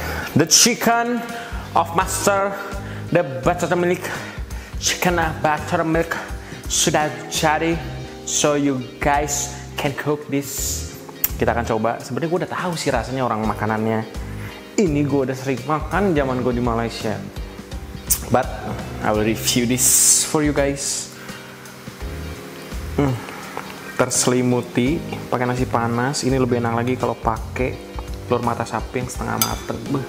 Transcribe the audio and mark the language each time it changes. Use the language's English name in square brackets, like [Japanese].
[English] The chicken of master, the buttermilk chicken of buttermilk [Indonesian] sudah jadi, [English] so you guys can cook this. [Indonesian] Kita akan coba. Sebenarnya gue udah tahu sih rasanya orang makanannya. Ini gue udah sering makan zaman gue di Malaysia. [English] But I will review this for you guys. [Indonesian] Terselimuti pakai nasi panas. Ini lebih enak lagi kalau pakai telur mata sapi yang setengah matang.